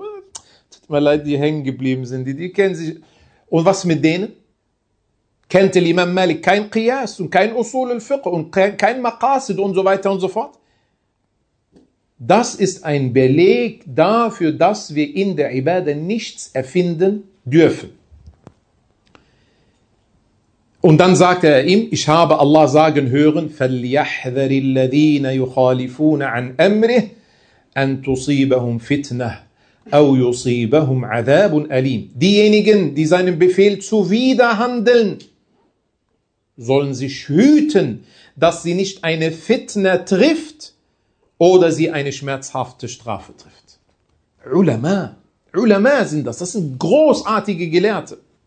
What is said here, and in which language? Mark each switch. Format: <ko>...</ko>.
<de>Tut mir leid, die hängen geblieben sind, die kennen sich. Und was mit denen? Kennt der Imam Malik kein Qiyas und kein Usulul Fiqh und kein Maqasid und so weiter und so fort? Das ist ein Beleg dafür, dass wir in der Ibadah nichts erfinden dürfen. Und dann sagte er ihm, ich habe Allah sagen hören,</de> <ar>فَلْيَحْذَرِ الَّذِينَ يُخَالِفُونَ عَنْ أَمْرِهِ أَنْ تُصِيبَهُمْ فِتْنَةً أَوْ يُصِيبَهُمْ عَذَابٌ أَلِيمٌ.</ar> <de>Diejenigen, die seinem Befehl zuwiderhandeln, sollen sich hüten, dass sie nicht eine Fitna trifft oder sie eine schmerzhafte Strafe trifft. Ulama sind das. Das sind großartige Gelehrte.</de>